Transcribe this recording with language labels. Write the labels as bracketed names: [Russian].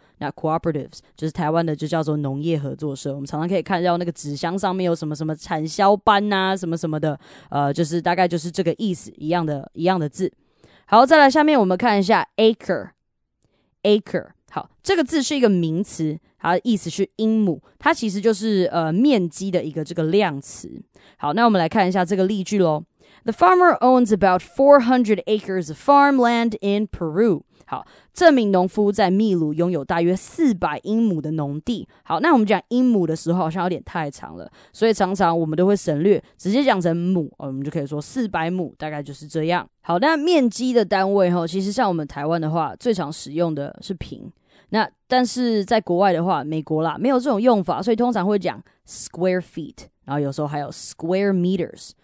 [Chinese] 那 cooperatives 就是台湾的，就叫做农业合作社。我们常常可以看到那个纸箱上面有什么什么产销班啊，什么什么的，就是大概就是这个意思，一样的字。好，再来下面我们看一下 acre。好，这个字是一个名词，它的意思是英亩，它其实就是面积的一个这个量词。好，那我们来看一下这个例句喽。 [English] The farmer owns about 400 acres of farmland in Peru。 [Chinese] 好，这名农夫在秘鲁拥有大约400英亩的农地。好，那我们讲英亩的时候好像有点太长了，所以常常我们都会省略，直接讲成亩，我们就可以说400亩，大概就是这样。好，那面积的单位齁，其实像我们台湾的话最常使用的是坪，那但是在国外的话，美国啦，没有这种用法，所以通常会讲 square feet， 然后有时候还有 square meters。